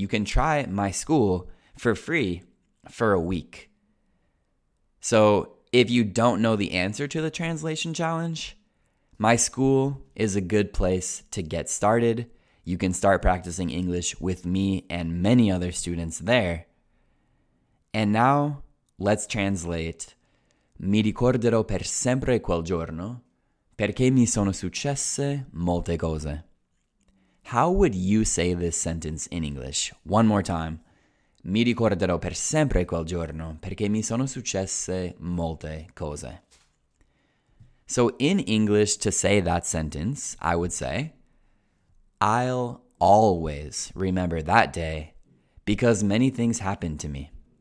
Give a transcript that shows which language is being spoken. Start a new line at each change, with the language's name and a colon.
English: You can try my school for free for a week. So if you don't know the answer to the translation challenge, my school is a good place to get started. You can start practicing English with me and many other students there. And now, let's translate.
Italian: Mi ricorderò per sempre quel giorno, perché mi sono successe molte cose.
English: How would you say this sentence in English? One more time.
Italian: Mi ricorderò per sempre quel giorno, perché mi sono successe molte cose.
English: So in English, to say that sentence, I would say, I'll always remember that day because many things happened to me.